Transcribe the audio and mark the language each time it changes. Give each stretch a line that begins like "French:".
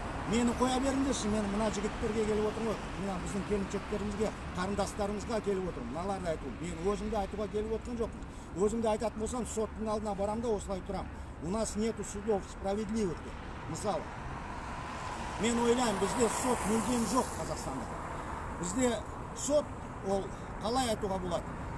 Kazakh: Мені қоя беріңдерші, мен мына жігіттерге келіп отырмын ғой. Мына біздің келіншектерімізге, қарындастарымызға келіп отырмын. Мыналарды айтуым. Мен өзімді айтуға келіп отырған жоқпын. Өзімді айтатын болсам, соттың алдына барамын да осылай тұрамын.
Russian: У нас нету судов справедливости.
Kazakh: Мысалы. Мен ойлаймын, бізде сот мүлдем жоқ Қазақстанда. Бізде сот, ол қалай айтуға болады?